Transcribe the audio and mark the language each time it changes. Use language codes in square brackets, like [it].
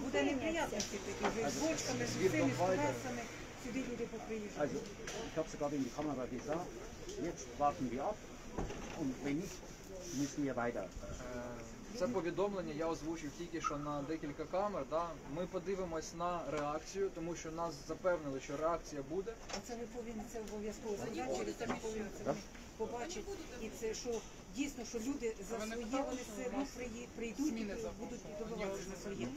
[uk] Буде неприятності такі, вже з бочками, з усіми стресами. [de] Also, ich habe es gerade in die Kamera gesagt, jetzt warten wir ab und wenn nicht, müssen wir weiter. [uk] Це повідомлення я озвучив тільки що на декілька камер. Да? Ми подивимось на реакцію, тому що нас запевнили, що реакція буде. А це ми повинні це обов'язково зробити, через це ми повинні це побачити. І це, що дійсно, що люди за своє, вони все одно прийдуть і будуть добиватися за своє.